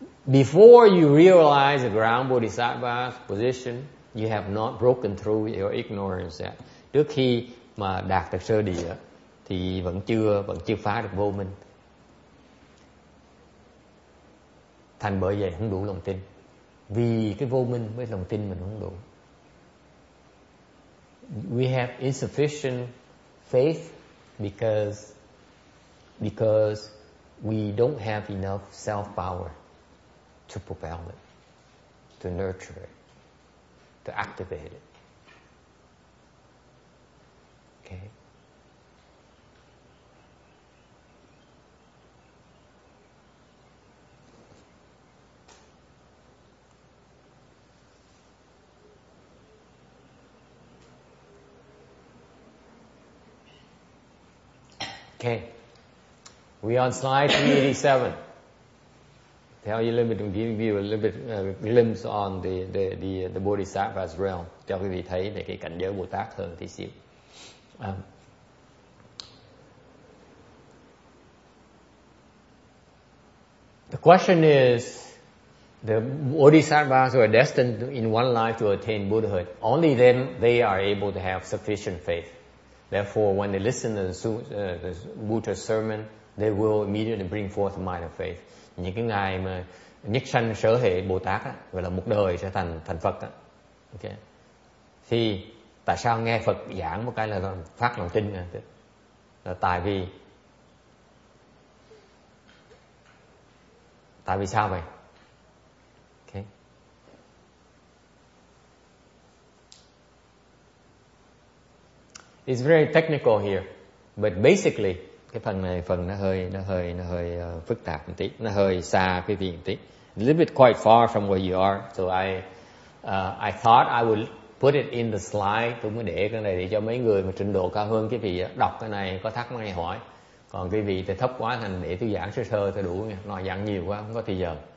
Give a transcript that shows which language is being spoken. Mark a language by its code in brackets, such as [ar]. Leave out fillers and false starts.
[en] Before you realize the ground Bodhisattva's position, you have not broken through your ignorance yet. [vi] Trước khi mà đạt được sơ địa thì vẫn chưa phá được vô minh. Thành bởi vậy không đủ lòng tin. Vì cái vô minh với lòng tin mình không đủ. [en] We have insufficient faith because we don't have enough self-power to propel it, to nurture it, to activate it. Okay? Okay. We on slide 387. Tell you a little bit, I'm giving you a little bit glimpse on the Bodhisattva's realm. [vi] Cho quý vị thấy về cái cảnh giới Bồ Tát hơn tí xíu. [en] The question is, the Bodhisattvas who are destined in one life to attain Buddhahood, only then they are able to have sufficient faith. Therefore, when they listen to the Buddha's sermon, they will immediately bring forth a mind of faith. [vi] Những cái ngày mà nhất sanh sở hệ Bồ Tát á, gọi là một đời sẽ thành Phật á. Okay. Thì tại sao nghe Phật giảng một cái là phát lòng tin này? Là tại vì sao vậy? Okay. [en] It's very technical here, but basically [vi] cái phần nó hơi phức tạp một tí, nó hơi xa quý vị một tí. [en] A little bit quite far from where you are, so I thought I would put it in the slide. [vi] Tôi mới để cái này để cho mấy người mà trình độ cao hơn quý vị đọc cái này có thắc mắc hay hỏi. Còn quý vị thì thấp quá thành để tôi giảng sơ thì đủ nha, nó giảng nhiều quá không có thời giờ.